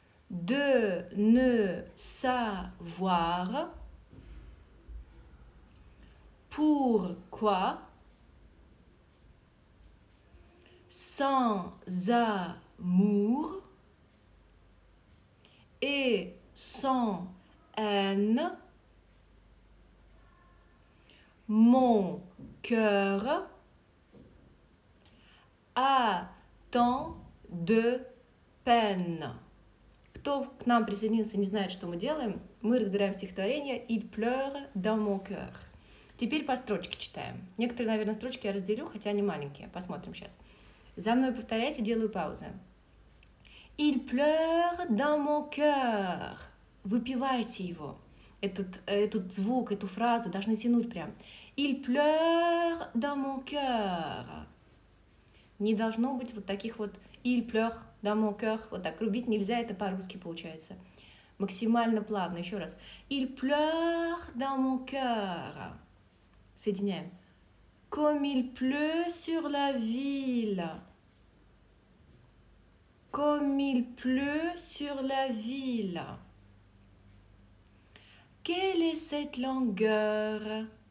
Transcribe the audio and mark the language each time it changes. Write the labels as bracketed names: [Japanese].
[French] de ne savoir pourquoi sans amour et sans haine mon cœur a tant de peine. [Russian] Кто к нам присоединился, не знает, что мы делаем, мы разбираем стихотворение [French] «Il pleure dans mon cœur». [Russian] Теперь по строчке читаем. Некоторые, наверное, строчки я разделю, хотя они маленькие. Посмотрим сейчас. За мной повторяйте, делаю паузы. [French] «Il pleure dans mon cœur». [Russian] Выпивайте его. Этот звук, эту фразу должны тянуть прям. [French] «Il pleure dans mon cœur». [Russian] Не должно быть вот таких вот [French] «Il pleure». Dans mon cœur. [Russian] Вот так рубить нельзя, это по-русски получается. Максимально плавно, еще раз. [French] Il pleure dans mon cœur. [Russian] Соединяем. [French] Comme il pleut sur la ville. Comme il pleut sur la ville. Quelle est cette longueur?